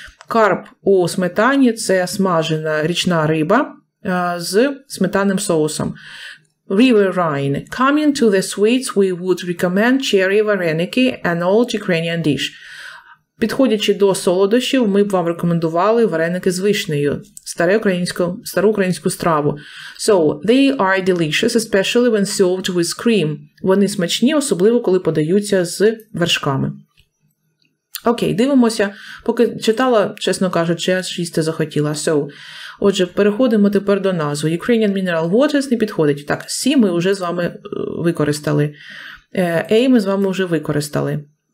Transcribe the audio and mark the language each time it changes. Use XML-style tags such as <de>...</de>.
<uk>Карп у сметані – це смажена річна риба з сметанним соусом.</uk> <en>River rhine. Coming to the sweets, we would recommend cherry vareniki, an old Ukrainian dish.</en> <uk>Підходячи до солодощів, ми б вам рекомендували вареники з вишнею, стару українську страву.</uk> <en>So, they are delicious, especially when served with cream.</en> <uk>Вони смачні, особливо, коли подаються з вершками. Окей, дивимося. Поки читала, чесно кажучи, я їсти захотіла. So, отже, переходимо тепер до назви. Ukrainian mineral waters не підходить. Так, сі ми вже з вами використали. Ей ми з вами вже використали.</uk>